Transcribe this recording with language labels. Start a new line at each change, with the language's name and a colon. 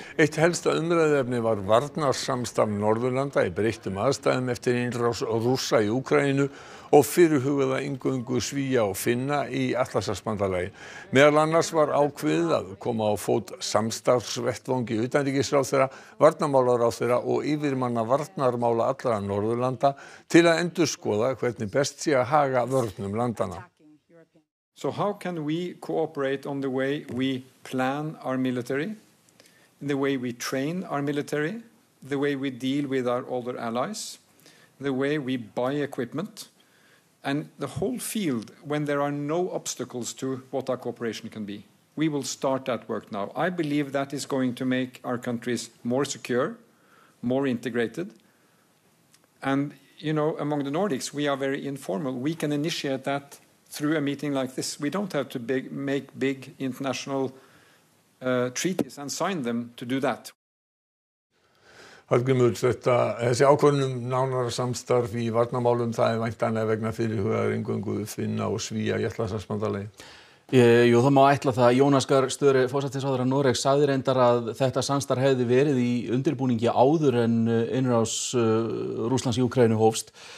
Icelandic: Eitt helsta umræðuefni var varnarsamstarf Norðurlanda í breyttum aðstæðum eftir innrás Rússa í Úkraínu og fyrirhugaða inngöngu Svía og Finna í Atlantshafsbandalagi. Meðal annars var ákveðið að koma á fót samstarfsvettvangi utanríkisráðherra, varnarmálaráðherra og yfirmanna varnarmála allra Norðurlanda til að endurskoða hvernig best sé að haga vörnum landanna.
English: So how can we cooperate on the way we plan our military, the way we train our military, the way we deal with our older allies, the way we buy equipment, and the whole field when there are no obstacles to what our cooperation can be. We will start that work now. I believe that is going to make our countries more secure, more integrated. And, you know, among the Nordics, we are very informal. We can initiate that through a meeting like this. We don't have to make big international treaties and sign them to do that.
Icelandic: Hallgrímur, þetta, þessi ákvörðunum nánara samstarf í varnarmálum, það væntanlega vegna fyrirhugaðar inngöngu Finna og Svía í Atlantshafsbandalagið. Jú, það má ætla það að Jónas Gahr Støre, forsætisráðherra Noregs, sagði reyndar að þetta samstarf hefði verið í undirbúningi áður en innrás Rússlands í Úkraínu hófst.